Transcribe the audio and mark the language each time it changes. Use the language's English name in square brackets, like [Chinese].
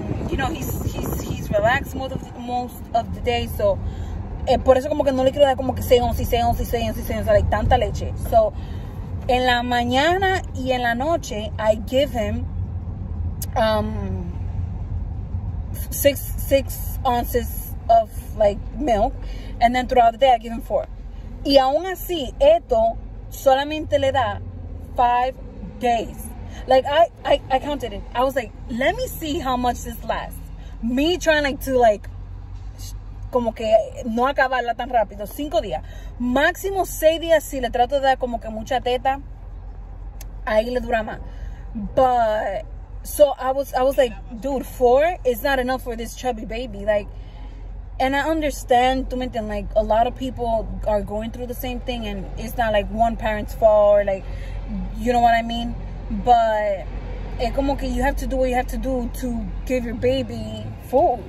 [English] You know, he's relaxed most of the day. [Spanish] So, por eso como que no le quiero dar como que [English] 6 ounces, like, [Spanish] tanta leche. [English] So, [Spanish] en la mañana y en la noche, [English] I give him, 6 ounces of like milk, and then throughout the day I give him 4. [Spanish] Y aún así, esto solamente le da [English] 5 days. Like I counted it. I was like, let me see how much this lasts. Me trying like to like, [Spanish] como que no acabarla tan rápido. 5 días, máximo 6 días si le trato de dar como que mucha teta, ahí le dura más. [English] But so I was like, dude, 4 is not enough for this chubby baby. Like, and I understand, [Spanish] tú me entiendes, [English] like a lot of people are going through the same thing, and it's not like one parent's fault or like, you know what I mean? But [Spanish] es como que [English] you have to do what you have to do to give your baby food.